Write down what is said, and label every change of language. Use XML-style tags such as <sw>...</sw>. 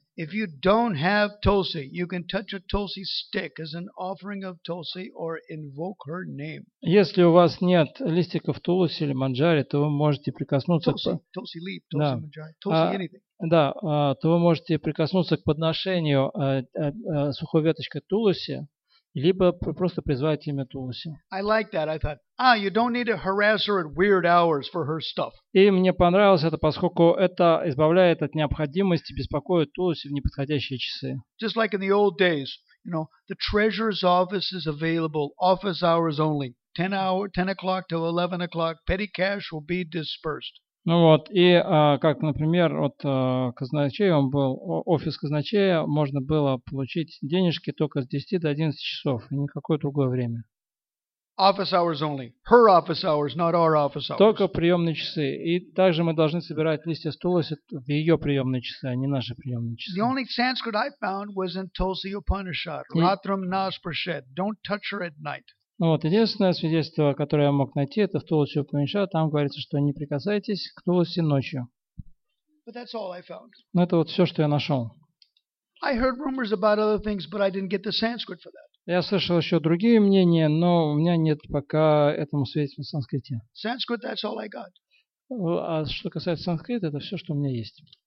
<en>If you don't have tulsi, you can touch a tulsi stick as an offering of tulsi or invoke her name.</en> <ru>Если у вас нет листиков тулуси или манджари, то вы можете прикоснуться</ru> <en>к tulsi leaf, tulsi manjari, tulsi anything.</en> <ru>Да, то вы можете прикоснуться к подношению сухой веточкой тулуси либо просто призвать имя тулуси.</ru> <en>I like that. I thought, you don't need to harass her at weird hours for her stuff.</en> <ru>И мне понравилось это, поскольку это избавляет от необходимости беспокоить тулуси в неподходящие часы.</ru> <en>Just like in the old days, you know, the treasurer's office is available office hours only. 10 o'clock to 11 o'clock, petty cash will be dispersed.</en> <ru>Ну вот, и как, например, от казначея он был, офис казначея, можно было получить денежки только с 10 до 11 часов, и никакое другое время.</ru> <en>Office hours only. Her office hours, not our office hours.</en> <ru>Только приемные часы. И также мы должны собирать листья с тулуси в ее приемные часы, а не наши приемные часы.</ru> <en>The only Sanskrit I found was in Tulsi Upanishad. Ratram Naspraset. Don't touch her at night.</en> <ru>Ну вот, единственное свидетельство, которое я мог найти, это в Тулусе Упанишад. Там говорится, что не прикасайтесь к Тулусе ночью.</ru> <en>But that's all I found.</en> <ru>Но это вот все, что я нашел.</ru> <en>I heard rumors about other things, but I didn't get the Sanskrit for that.</en> <ru>Я слышал еще другие мнения, но у меня нет пока этому свидетельства в санскрите.</ru> <en>Sanskrit, that's all I got.</en> <ru>А что касается санскрита, это все, что у меня есть.</ru>